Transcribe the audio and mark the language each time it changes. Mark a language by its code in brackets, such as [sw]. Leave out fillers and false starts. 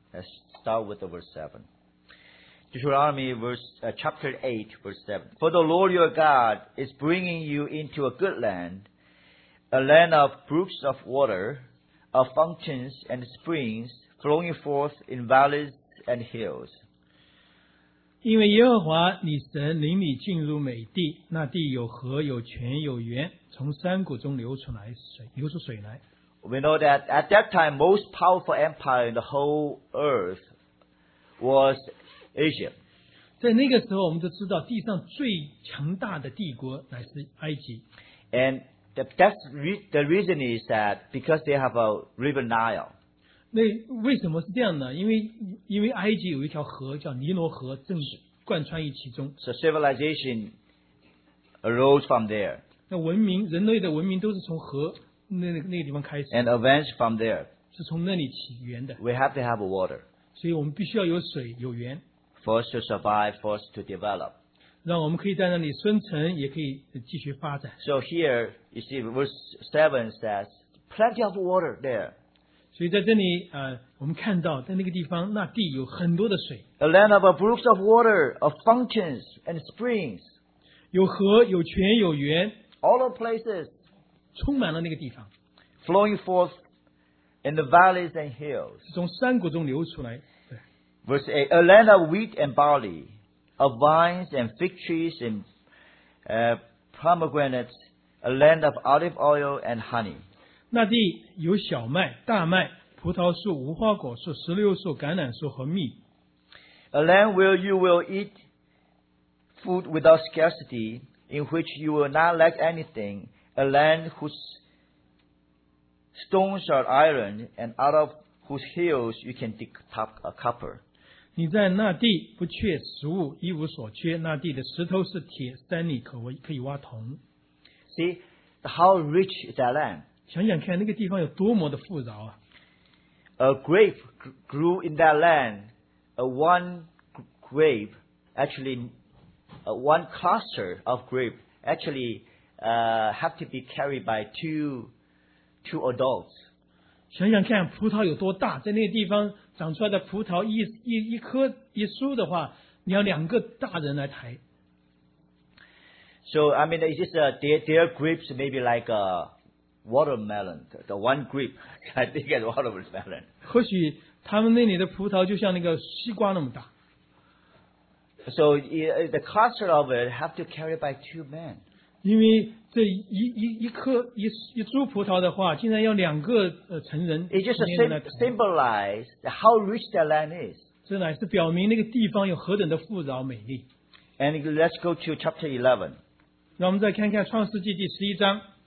[en] Let's start with the verse 7. Deuteronomy chapter 8, verse 7. For the Lord your God is bringing you into a good land, a land of brooks of water, of fountains and springs, flowing forth in valleys and hills. [zh] 因为耶和华你神领你进入美地，那地有河有泉有源，从山谷中流出来水，流出水来。 [en] We know that at that time, most powerful empire in the whole earth was Asia. [zh] 在那个时候，我们都知道地上最强大的帝国乃是埃及。 [en] And the reason is that because they have a river Nile. [zh] 那为什么是这样呢？因为埃及有一条河叫尼罗河，正贯穿于其中。 [en] So civilization arose from there. [zh] 那文明，人类的文明都是从河。那个地方开始 [en] ，and advance from there， [zh] 是从那里起源的。 [en] We have to have water， [zh] 所以我们必须要有水有源。 [en] For us to survive, for us to develop， [zh] 让我们可以在那里生存，也可以继续发展。 [en] So here you see verse 7 says plenty of water there， [zh] 所以在这里我们看到在那个地方那地有很多的水。 [en] A land of brooks of water, of fountains and springs， [zh] 有河有泉有源。 [en] All the places。 [zh] 充满了那个地方 [en] flowing forth in the valleys and hills， [zh] 从山谷中流出来。 [en] Verse 8， a land of wheat and barley， of vines and fig trees and pomegranates， a land of olive oil and honey。 [zh] 那地有小麦、大麦、葡萄树、无花果树、石榴树、橄榄树和蜜。 [en] A land where you will eat food without scarcity， in which you will not lack anything。 A land whose stones are iron, and out of whose hills you can dig top a copper. [zh] 你在那地不缺食物，一无所缺。那地的石头是铁，山里可以挖铜。 [en] See how rich is that land. [zh] 想想看，那个地方有多么的富饶啊 [en] ！A grape grew in that land. A one grape, actually, a one cluster of grape, actually. Have to be carried by two adults. [zh] 想想看，葡萄有多大，在那个地方长出来的葡萄一颗一树的话，你要两个大人来抬。 [en] So I mean, it's just their grapes maybe like a watermelon, the one grape. I think it's watermelon. [zh] 或许他们那里的葡萄就像那个西瓜那么大。 [en] So the cluster of it have to carry by two men. [zh] 因为这一株葡萄的话，竟然要两个成人。 [en] It just symbolizes how rich the land is. [zh] 这乃是表明那个地方有何等的富饶美丽。 [en] And let's go to chapter 11. [zh] 让我们再看看创世纪第十一章。